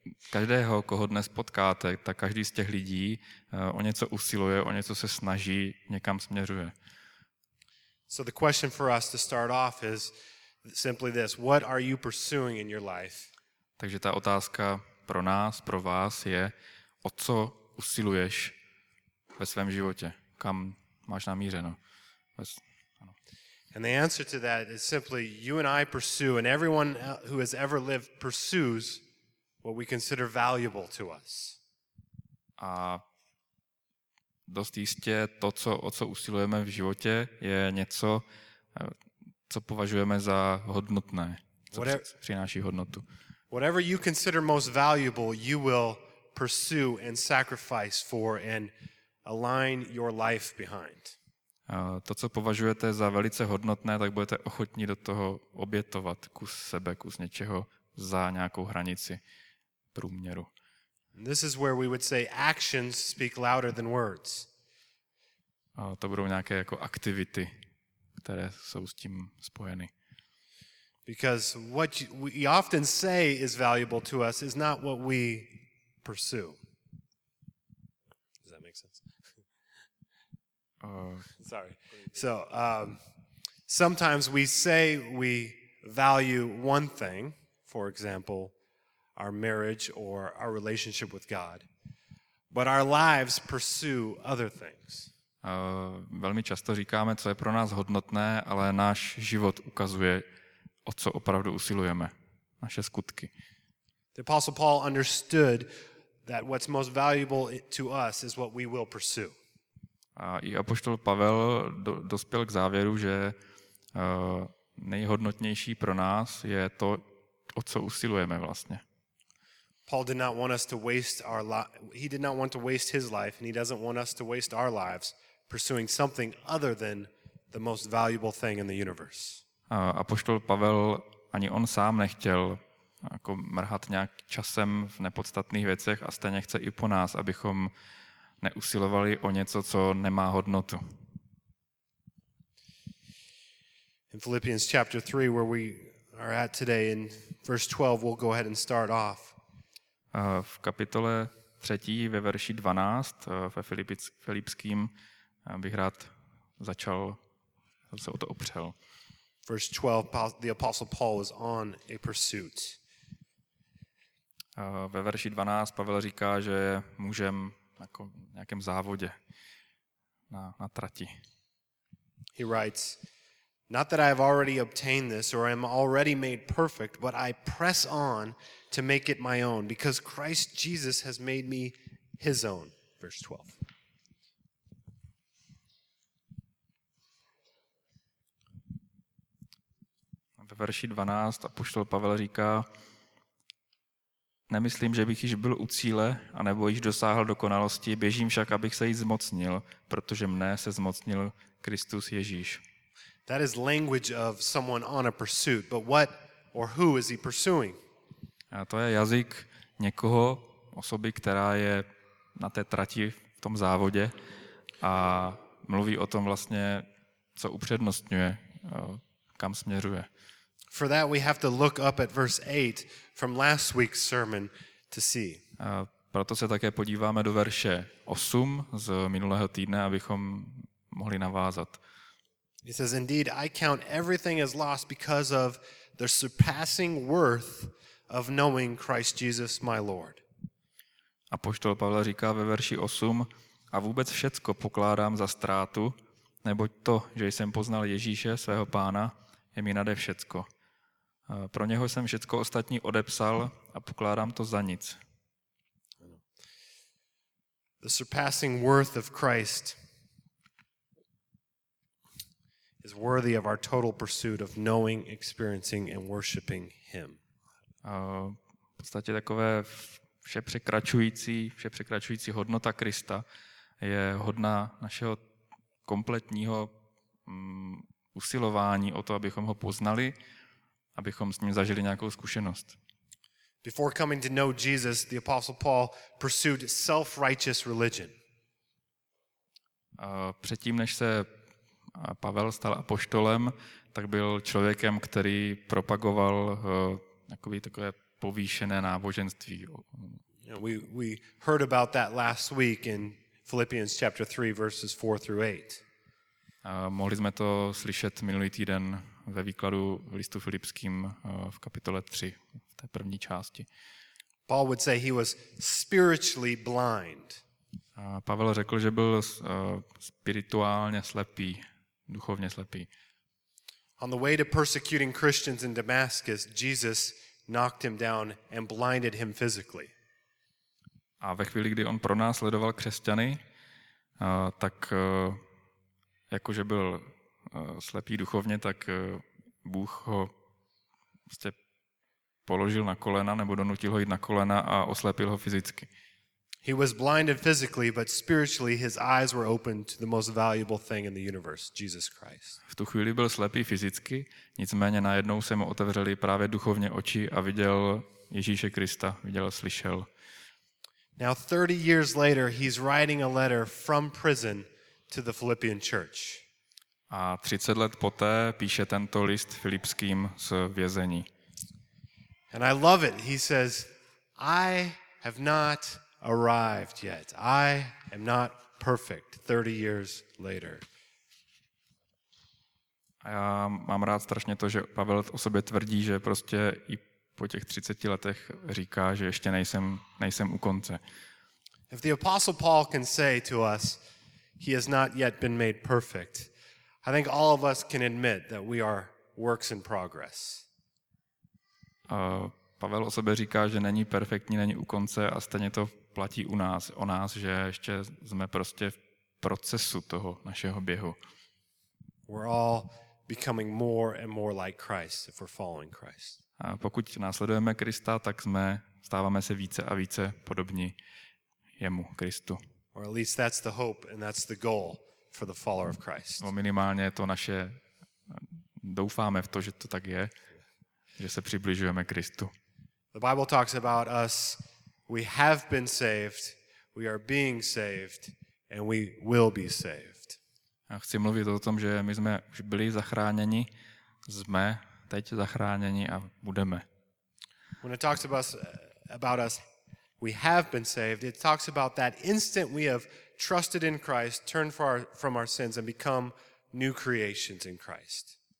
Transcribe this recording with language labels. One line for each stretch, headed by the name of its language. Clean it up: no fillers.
Czech: Každého, koho dnes potkáte, tak každý z těch lidí o něco usiluje, o něco se snaží, někam směřuje.
English: So the question for us to start off is simply this: what are you pursuing in your life?
Czech: Takže ta otázka pro nás, pro vás je, o co usiluješ ve svém životě? Kam máš namířeno?
English: And the answer to that is simply you and I pursue, and everyone who has ever lived pursues what we consider valuable to us.
Czech: A dost jistě to, o co usilujeme v životě, je něco, co považujeme za hodnotné, co přináší hodnotu.
English: Whatever you consider most valuable, you will pursue and sacrifice for and align your life behind.
Czech: To, co považujete za velice hodnotné, tak budete ochotní do toho obětovat kus sebe, kus něčeho za nějakou hranici průměru.
English: This is where we would say actions speak louder than words.
Czech: To budou nějaké jako aktivity, které jsou s tím spojeny.
English: Because what we often say is valuable to us is not what we pursue. Sorry. So, sometimes we say we value one thing, for example, our marriage or our relationship with God, but our lives pursue other things.
Czech: Velmi často říkáme, co je pro nás hodnotné, ale náš život ukazuje, o co opravdu usilujeme, naše skutky.
English: The Apostle Paul understood that what's most valuable to us is what we will pursue.
Czech: A i apoštol Pavel dospěl k závěru, že nejhodnotnější pro nás je to, o co usilujeme vlastně.
English: Paul did not want us to waste our he did not want to waste his life and he doesn't want us to waste our lives pursuing something other than the most valuable thing in the universe.
Czech: Apoštol Pavel ani on sám nechtěl jako mrhat nějak časem v nepodstatných věcech a stejně chce i po nás, abychom neusilovali o něco, co nemá hodnotu.
English: In Philippians chapter 3, where we are at today, in verse 12, we'll go ahead and start off.
Czech: V kapitole 3, ve verši 12, ve Filipským, bych rád začal, se o to opřel.
English: Verse 12, the Apostle Paul is on a pursuit.
Czech: Ve verši 12 Pavel říká, že můžem jako nějakém závodě na trati.
English: He writes, not that I have already obtained this or am already made perfect, but I press on to make it my own because Christ Jesus has made me his own. Verse 12.
Czech: Ve verši 12 apoštol Pavel říká, nemyslím, že bych již byl u cíle, anebo již dosáhl dokonalosti, běžím však, abych se jí zmocnil, protože mne se zmocnil Kristus Ježíš.
English: That is language of someone on a pursuit, but what or who is he pursuing?
Czech: A to je jazyk někoho, osoby, která je na té trati v tom závodě a mluví o tom vlastně, co upřednostňuje, kam směřuje.
English: For that we have to look up at verse 8 from last week's sermon to see.
Czech: A proto se také podíváme do verše 8 z minulého týdne, abychom mohli navázat.
English: He says, indeed, I count everything as lost because of the surpassing worth of knowing Christ Jesus my Lord.
Czech: Apoštol Pavel říká ve verši 8, a vůbec všecko pokládám za ztrátu, neboť to, že jsem poznal Ježíše, svého pána, je mi nade všecko. Pro něho jsem všecko ostatní odepsal a pokládám to za nic.
English: The surpassing worth of Christ is worthy of our total pursuit of knowing, experiencing and worshiping him.
Czech: V podstatě takové vše překračující hodnota Krista je hodna našeho kompletního usilování o to, abychom ho poznali, abychom s ním zažili nějakou zkušenost.
English: Before coming to know Jesus, the apostle Paul pursued self-righteous religion.
Czech: Předtím než se Pavel stal apoštolem, tak byl člověkem, který propagoval takové povýšené náboženství.
English: We heard about that last week in Philippians chapter 3 verses 4 through 8.
Czech: Mohli jsme to slyšet minulý týden ve výkladu listu Filipským v kapitole 3, v té první části.
English: Paul would say he was spiritually blind.
Czech: Pavel řekl, že byl spirituálně slepý, duchovně slepý.
English: On the way to persecuting Christians in Damascus, Jesus knocked him down and blinded him physically.
Czech: A ve chvíli, kdy on pronásledoval křesťany, tak jakože byl slepý duchovně, tak Bůh ho prostě položil na kolena nebo donutil ho jít na kolena a oslepil ho fyzicky.
English: He was blinded physically, but spiritually his eyes were opened to the most valuable thing in the universe, Jesus Christ.
Czech: V tu chvíli byl slepý fyzicky, nicméně najednou se mu otevřeli právě duchovně oči a viděl Ježíše Krista, viděl, slyšel.
English: Now 30 years later he's writing a letter from prison to the Philippian church.
Czech: A 30 let poté píše tento list Filipským z vězení.
English: And I love it. He says, I have not arrived yet. I am not perfect 30 years later.
Czech: A já mám rád strašně to, že Pavel o sobě tvrdí, že prostě i po těch 30 letech říká, že ještě nejsem u konce.
English: If the apostle Paul can say to us he has not yet been made perfect, I think all of us can admit that we are works in progress.
Czech: Pavel o sobě říká, že není perfektní, není u konce a stejně to platí u nás, o nás, že ještě jsme prostě v procesu toho našeho běhu.
English: We're all becoming more and more like Christ if we're following Christ.
Czech: A pokud následujeme Krista, tak stáváme se více a více podobní jemu, Kristu.
English: Or at least that's the hope and that's the goal for the follower of Christ.
Czech: No minimálně to naše, doufáme v to, že to tak je, že se přibližujeme Kristu.
English: The Bible talks about us, we have been saved, we are being saved and we will be saved.
Czech: A chci mluvit o tom, že my jsme už byli zachráněni, jsme teď zachráněni a budeme.
English: When it talks about us, we have been saved. It talks about that instant we have trusted in Christ, turned from our sins and become new creations in Christ.